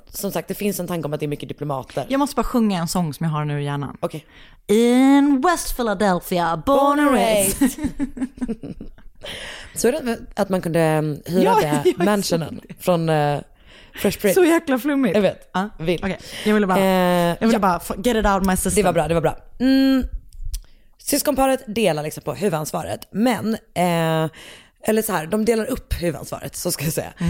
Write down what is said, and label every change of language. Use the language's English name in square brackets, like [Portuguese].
[Swedish] Som sagt, det finns en tanke om att det är mycket diplomater. Jag måste bara sjunga en sång som jag har nu i hjärnan. [English] Okay. In West Philadelphia, born and raised. [Swedish] Så är det att man kunde hyra ja, det mansionen från Fresh Prince. Så jäkla flummigt. Jag vet. Vill. [English] Okay. [Swedish] Jag ville bara, jag ville bara [English] get it out of my system. [Swedish] Det var bra, det var bra. Syskonparet delar liksom på huvudansvaret, men eller så här, de delar upp huvudansvaret, så ska jag säga.